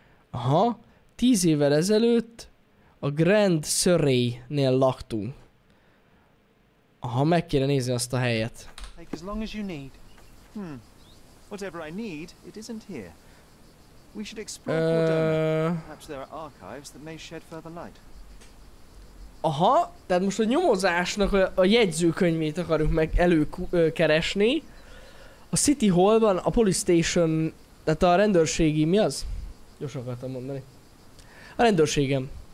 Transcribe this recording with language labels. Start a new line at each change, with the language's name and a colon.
Hungarian: Aha, 10 évvel ezelőtt a Grand Surrey-nél laktunk. Aha, meg kéne nézni azt a helyet.
English: Take as long as you need. Hmm. Whatever I need, it isn't here. We should explore Cordoba. Perhaps there are archives that may shed further light.
Hungarian: Aha, tehát most a nyomozásnak a jegyzőkönyvét akarjuk meg előkeresni. A City Hall-ban, a Police Station, tehát a rendőrségi, mi az? Gyorsan akartam mondani. A rendőrségem.